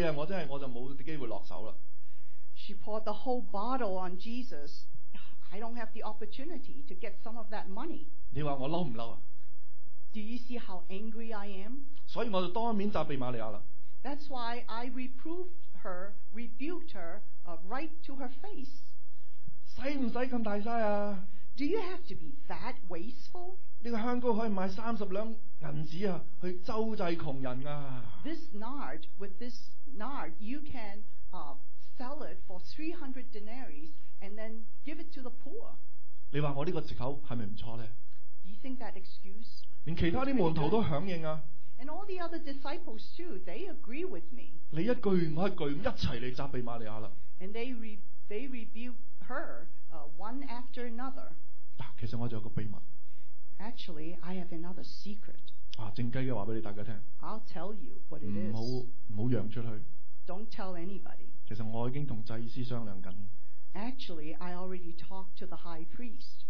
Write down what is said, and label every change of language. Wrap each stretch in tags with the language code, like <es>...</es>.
<yue>佢全部用曬喺香膏上高，哎呀，我真係我就冇機會落手啦。</yue> <en>She poured the whole bottle on Jesus. I don't have the opportunity to get some of that money.</en> <yue>你話我嬲唔嬲啊？</yue> <en>Do you see how angry I am?</en> <yue>所以我就當面責備瑪利亞啦。</yue> <en>That's why I reproved her, rebuked her, right to her face.</en> <yue>使唔使咁大嘥啊？</yue> <en>Do you have to be that wasteful?</en> <yue>呢個香膏可以賣32兩銀子啊，去周濟窮人啊。</yue> <en>This nard, with this nard, you can sell it for 300 denarii and then give it to the poor.</en> <yue>你話我呢個藉口係咪唔錯呢？</yue> <en>Do you think that excuse?</en> <yue>連其他啲門徒都響應啊。</yue> <en>And all the other disciples too, they agree with me.</en> <yue>你一句我一句一齊嚟責備瑪利亞啦。</yue> <en>And they rebuke her one after another.</en> <yue>其實我仲有個秘密。</yue> <en>Actually, I have another secret.</en> <yue>靜雞嘅話俾你大家聽。</yue> <en>I'll tell you what it is.</en> <yue>唔好揚出去。</yue> <en>Don't tell anybody.</en> <yue>其實我已經同祭司商量緊。</yue> <en>Actually, I already talked to the high priest.</en>